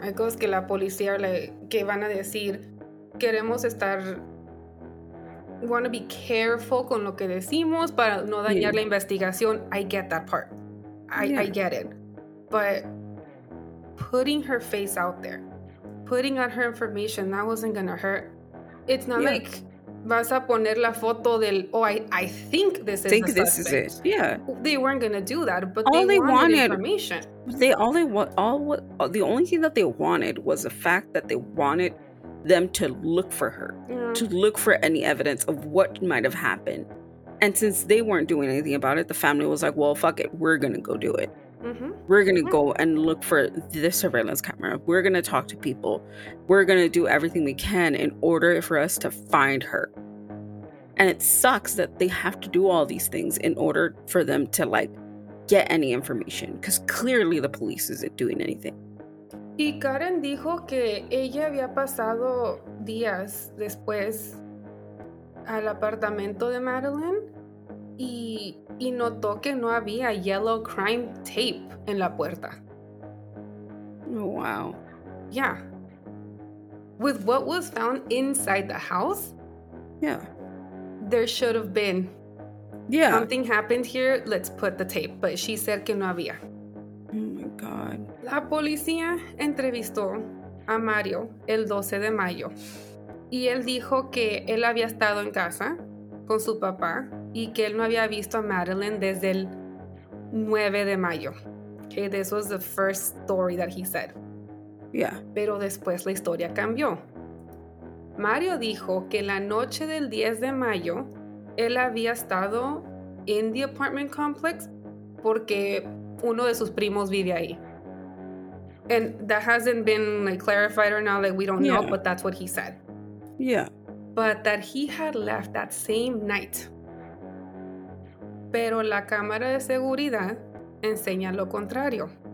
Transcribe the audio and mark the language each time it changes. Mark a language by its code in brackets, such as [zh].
[es] Hay cosas que la policía le, que van a decir, queremos estar... [en] want to be careful [es] con lo que decimos para no dañar la investigación. [en] I get that part. I get it. But putting her face out there, putting out her information, that wasn't going to hurt. It's not like [es] vas a poner la foto del, [en] oh, I think this is, think a this is it. Yeah. They weren't going to do that, but all they wanted information. The only thing that they wanted was the fact that they wanted them to look for her, to look for any evidence of what might have happened. And since they weren't doing anything about it, the family was like, well, fuck it, we're going to go do it. Mm-hmm. We're going to go and look for the surveillance camera. We're going to talk to people. We're going to do everything we can in order for us to find her. And it sucks that they have to do all these things in order for them to, like, get any information, because clearly the police isn't doing anything. [es] Y Karen dijo que ella había pasado días después al apartamento de Madeline y notó que no había [en] yellow crime tape [es] en la puerta. [en] Oh, wow. Yeah. With what was found inside the house? Yeah. There should have been. Yeah. Something happened here. Let's put the tape. But she said [es] que no había. [en] Oh, my God. [es] La policía entrevistó a Mario el 12 de mayo. Y él dijo que él había estado en casa con su papá y que él no había visto a Madeline desde el 9 de mayo. [en] Okay, this was the first story that he said. Yeah. [es] Pero después la historia cambió. Mario dijo que la noche del 10 de mayo él había estado [en] in the apartment complex [es] porque uno de sus primos vive ahí. [en] And that hasn't been, like, clarified or not, like, we don't know, but that's what he said. Yeah. But that he had left that same night. [es] Pero la cámara de seguridad enseña lo contrario.